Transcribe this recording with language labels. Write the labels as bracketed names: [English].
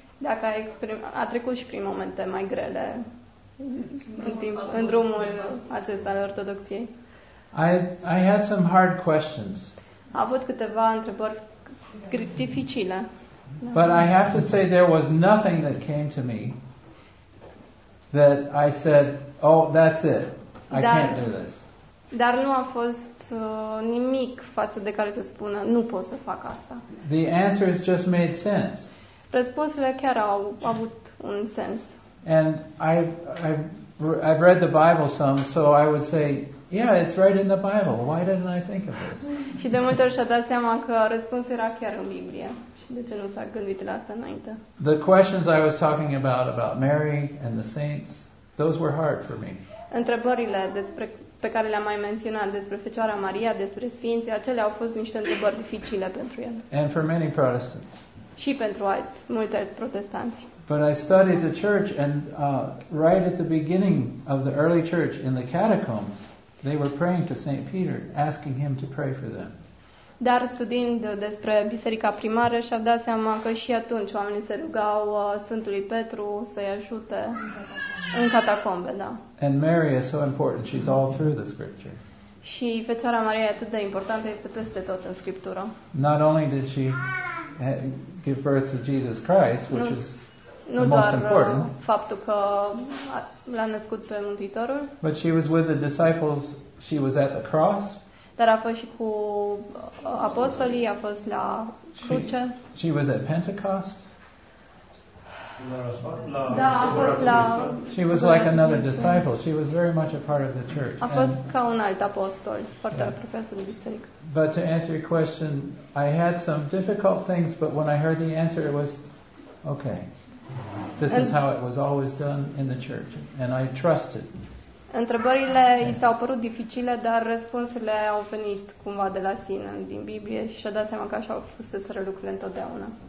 [Romanian] Dacă a trecut și prin momente mai grele în drumul acesta al ortodoxiei. [English] I had some hard questions. [Romanian] A avut câteva întrebări dificile. [English] But I have to say there was nothing that came to me that I said, "Oh, that's it. I can't do this." [Romanian] Dar nu a fost nimic față de care să spună, "Nu pot să fac asta." [English] The answers just made sense. [Romanian] Răspunsurile chiar au avut un sens. [English] And I've read the Bible some, so I would say, yeah, it's right in the Bible. Why didn't I think of this? [Romanian] Și de multe ori și-a dat seama că răspunsul era chiar în Biblie. Și de ce nu s-a gândit la asta înainte? [English] The questions I was talking about Mary and the saints, those were hard for me. [Romanian] Întrebările despre pe care le-am mai menționat, despre Fecioara Maria, despre sfinții, acele au fost niște întrebări dificile pentru el. [English] And for many Protestants. [Romanian] Și pentru alți, mulți alți protestanți. [English] But I studied the church and right at the beginning of the early church in the catacombs, they were praying to St. Peter, asking him to pray for them. [Romanian] Dar studiind despre biserica primară, și-au dat seama că și atunci oamenii se rugau Sfântului Petru să-i ajute în catacombe, da. [English] And Mary is so important. She's all through the scripture. [Romanian] Și Fecioara Maria e atât de importantă, este peste tot în scriptură. [English] Not only did she give birth to Jesus Christ, which is [Romanian] nu [English] the most important, [Romanian] faptul că l-a născut pe Mântuitorul, [English] but she was with the disciples, she was at the cross. [Romanian] Dar a fost și cu apostolii, a fost la cruce. [English] She was at Pentecost. [Romanian] Da, a fost la... [English] She was like another disciple. She was very much a part of the church. [Romanian] A fost ca un alt apostol, foarte apropiat de biserică. [English] But to answer your question, I had some difficult things, but when I heard the answer, it was okay. This is how it was always done in the church, and I trusted. [Romanian] Întrebările i s-au părut dificile, dar răspunsurile au venit cumva de la sine, din Biblie, și și-a dat seama că așa au fost să lucrurile întotdeauna.